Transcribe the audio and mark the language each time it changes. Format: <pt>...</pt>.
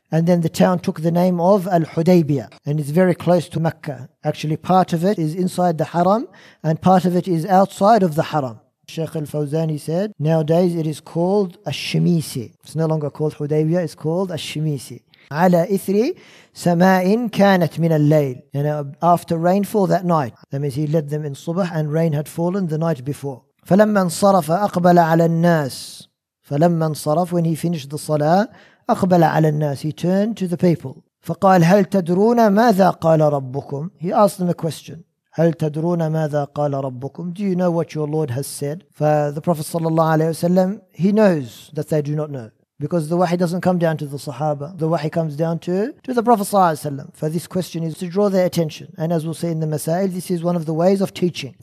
<en>And then the town took the name of al-Hudaybiyah. And it's very close to Mecca. Actually, part of it is inside the Haram, and part of it is outside of the Haram. Sheikh al-Fawzani said, nowadays it is called al-Shimisi. It's no longer called Hudaybiyah, it's called al-Shimisi.</en> <ar>على إثر سماء كانت من الليل.</ar> <en>You know, after rainfall that night. That means he led them in صبح and rain had fallen the night before.</en> <ar>فلما انصرف أقبل على الناس. فلما انصرف,</ar> <en>when he finished the</en> <ar>صلاة, أقبل على الناس.</ar> <en>He turned to the people.</en> <ar>فقال هل تدرون ماذا قال ربكم?</ar> <en>He asked them a question.</en> <ar>هل تدرون ماذا قال ربكم?</ar> <en>Do you know what your Lord has said? The Prophet صلى الله عليه وسلم, he knows that they do not know. Because the wahi doesn't come down to the Sahaba. The wahi comes down to the Prophet Sallallahu Alaihi Wasallam. For this question is to draw their attention. And as we'll see in the Masail, this is one of the ways of teaching.</en>